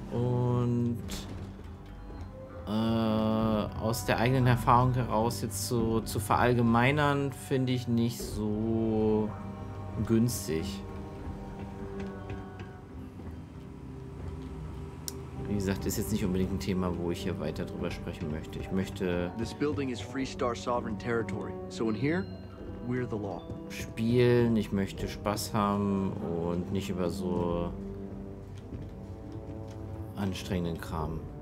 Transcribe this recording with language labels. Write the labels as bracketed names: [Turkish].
[German] Und aus der eigenen Erfahrung heraus jetzt zu verallgemeinern, finde ich nicht so günstig. Wie gesagt, ist jetzt nicht unbedingt ein Thema, wo ich hier weiter drüber sprechen möchte. Ich möchte... [English] This building is Freestar Sovereign Territory. So in here, we're the law. [German] Spielen, ich möchte Spaß haben und nicht über so anstrengenden Kram.